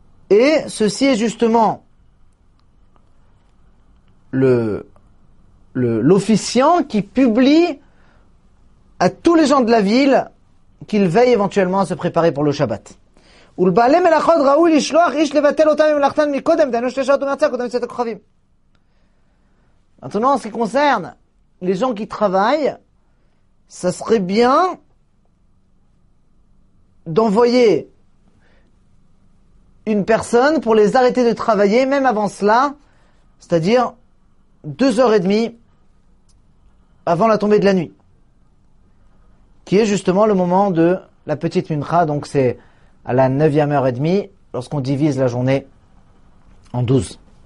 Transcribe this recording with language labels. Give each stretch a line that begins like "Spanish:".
French: Et ceci est justement l'officiant qui publie à tous les gens de la ville qu'ils veillent éventuellement à se préparer pour le Shabbat.
Hebrew: ולבעלי מלאכות ראוי לשלוח איש לבטל אותם ממלאכתן מקודם, דהיינו שתי שעות במרצה, קודם יצאת הכוכבים.
French: Maintenant, en ce qui concerne les gens qui travaillent, ça serait bien d'envoyer une personne pour les arrêter de travailler, même avant cela, c'est-à-dire 2h30 avant la tombée de la nuit, qui est justement le moment de la petite mincha, donc c'est à la 9h30, lorsqu'on divise la journée en 12.